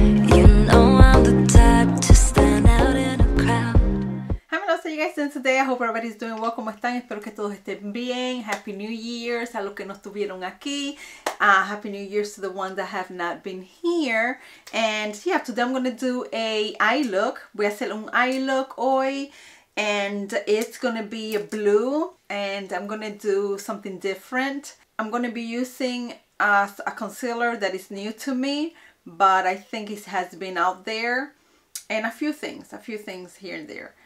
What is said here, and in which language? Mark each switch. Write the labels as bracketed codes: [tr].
[en] You know I'm the type to stand out in a crowd. How are you guys doing today? I hope everybody's doing well. [es] ¿Cómo están? Espero que todos estén bien. [en] Happy New Year's [es] a los que no estuvieron aquí. [en] Happy New Year's to the ones that have not been here. And yeah, today I'm going to do a eye look. [es] Voy a hacer un eye look hoy. [en] And it's gonna be a blue, and I'm gonna do something different. I'm gonna be using a concealer that is new to me, but I think it has been out there, and a few things here and there.